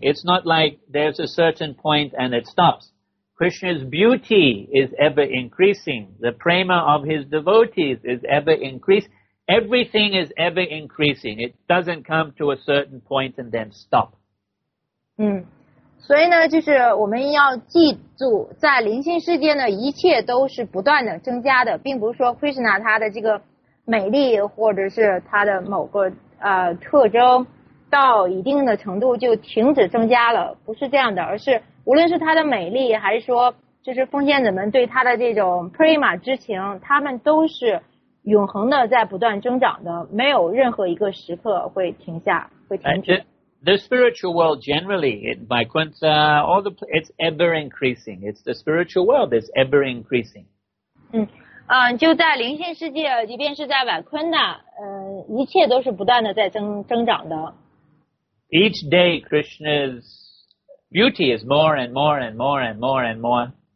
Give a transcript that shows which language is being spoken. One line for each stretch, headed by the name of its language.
English: It's not like there's a certain point and it stops. Krishna's beauty is ever increasing. The prema of his devotees is ever increasing. Everything is ever increasing. It doesn't come to a certain point and then stop.
Chinese: 所以呢，就是我们要记住，在灵性世界呢，一切都是不断的增加的，并不是说 Krishna 他的这个美丽或者是他的某个特征到一定的程度就停止增加了，不是这样的，而是无论是他的美丽，还是说就是奉献者们对他的这种 prema 之情，他们都是永恒的在不断增长的，没有任何一个时刻会停下，会停止。
English: The spiritual world generally, in Vaikuntha, all the, it's ever increasing. It's the spiritual world that's ever increasing.
Chinese: 就在灵性世界，即便是在Vaikuntha，一切都是不断的在增长的。
English: Each day, Krishna's beauty is more and more and more and more and more.